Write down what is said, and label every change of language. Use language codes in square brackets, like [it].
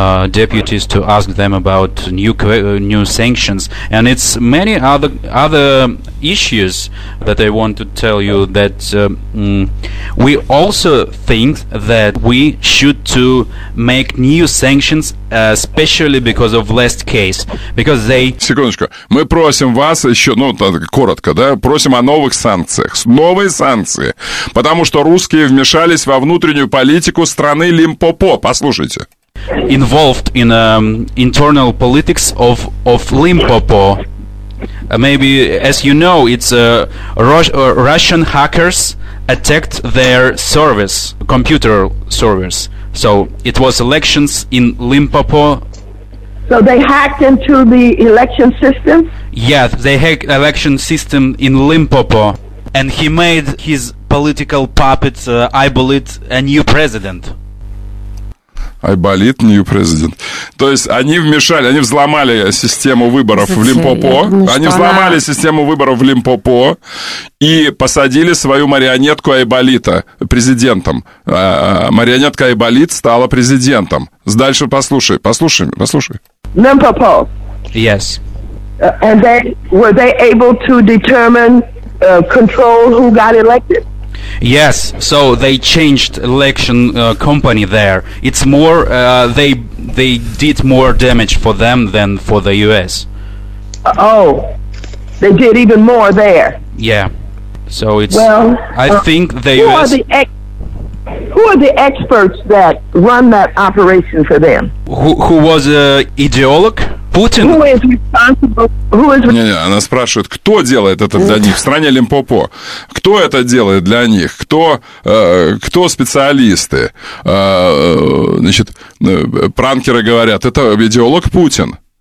[en] deputies to ask them about new sanctions, and it's many other issues that I want to tell you that we also think that we should to make new sanctions, especially because of last case, because they. [ru] Секундочку, мы просим вас еще, ну так, коротко, да, просим о новых санкциях, новые санкции, потому что русские вмешались во внутреннюю политику страны Лимпопо. Послушайте. [en] Involved in internal politics of Limpopo. Maybe, as you know, it's Russian hackers attacked their service, computer service. So it was elections in Limpopo. So they hacked into the election system? Yes, they hacked election system in Limpopo. And he made his political puppet, Aybolit, a new president. Айболит, new president. [ru] То есть они вмешали, они взломали систему выборов в Лимпопо. Они взломали систему выборов в Лимпопо и посадили свою марионетку Айболита президентом. Марионетка Айболит стала президентом. Дальше послушай. Лимпопо. [en] Yes. And they were they able to determine control who got elected? Yes, so they changed election company there. It's more they did more damage for them than for the US. Oh, they did even more there. Yeah, so it's. Well, I think the who US. Who are the experts that run that operation for them? Who was an ideologue? Путин. [ru] Не-не, она спрашивает, кто делает это для них в стране Лимпопо? Кто это делает для них? Кто специалисты? Значит, пранкеры говорят, это идеолог Путин.